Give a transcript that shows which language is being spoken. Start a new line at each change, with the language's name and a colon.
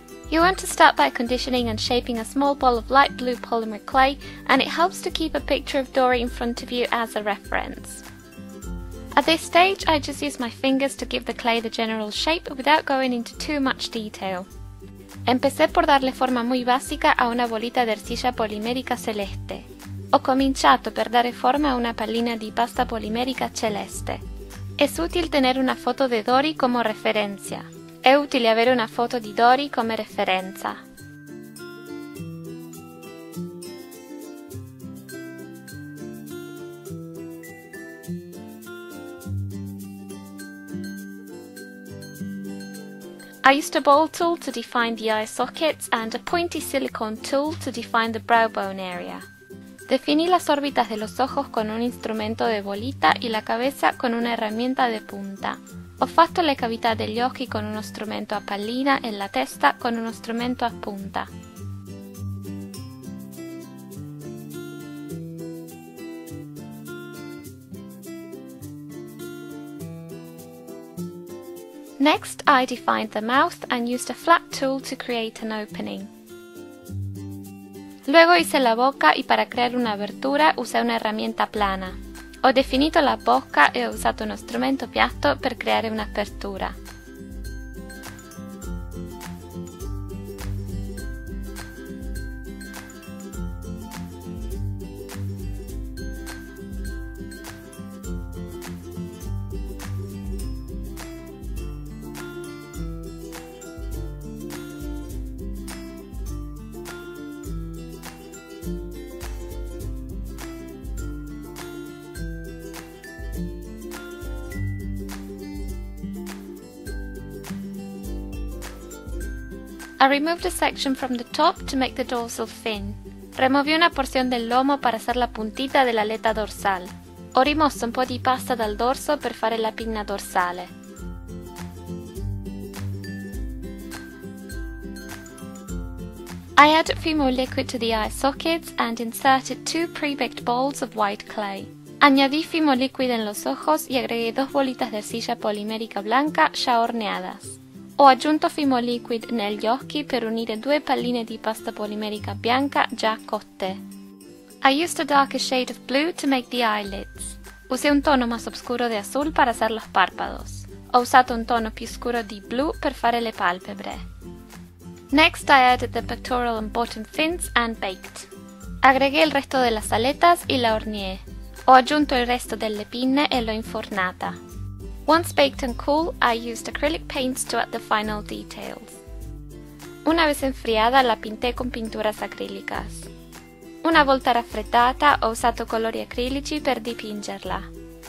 English: You want to start by conditioning and shaping a small ball of light blue polymer clay, and it helps to keep a picture of Dory in front of you as a reference. At this stage, I just use my fingers to give the clay the general shape without going into too much detail.
Spanish: Empecé por darle forma muy básica a una bolita de arcilla polimérica celeste.
Italian: Ho cominciato per dare forma a una pallina di pasta polimerica celeste.
Spanish: Es útil tener una foto de Dory como referencia.
Italian: È utile avere una foto di Dory come referenza.
English: I used a ball tool to define the eye sockets and a pointy silicone tool to define the brow bone area.
Spanish: Definí las órbitas de los ojos con un instrumento de bolita y la cabeza con una herramienta de punta.
Italian: Ho fatto le cavità degli occhi con uno strumento a pallina e la testa con uno strumento a punta.
English: Next, I defined the mouth and used a flat tool to create an opening.
Spanish: Luego hice la boca y para crear una abertura usé una herramienta plana.
Italian: Ho definito la bocca e ho usato uno strumento piatto per creare un'apertura.
English: I removed a section from the top to make the dorsal fin.
Spanish: Removí una porción del lomo para hacer la puntita dell'aleta dorsal.
Italian: Ho rimosso un po' di pasta dal dorso per fare la pinna dorsale.
English: I added a few more liquid to the eye sockets and inserted two pre-baked balls of white clay.
Spanish: Añadí fimo líquido en los ojos y agregué dos bolitas de arcilla polimérica blanca ya horneadas.
Italian: Ho aggiunto fimo liquid negli occhi per unire due palline di pasta polimerica bianca già cotte.
English: I used a darker shade of blue to make the eyelids.
Spanish: Usé un tono más oscuro de azul para hacer los párpados.
Italian: Ho usato un tono più scuro di blu per fare le palpebre.
English: Next I added the pectoral and bottom fins and baked.
Spanish: Agregué el resto de las aletas y la horneé.
Italian: Ho aggiunto il resto delle pinne e l'ho infornata.
English: Once baked and cool, I used acrylic paints to add the final details.
Spanish: Una vez enfriada, la pinté con pinturas acrílicas.
Italian: Una volta raffreddata, ho usato colori acrilici per dipingerla.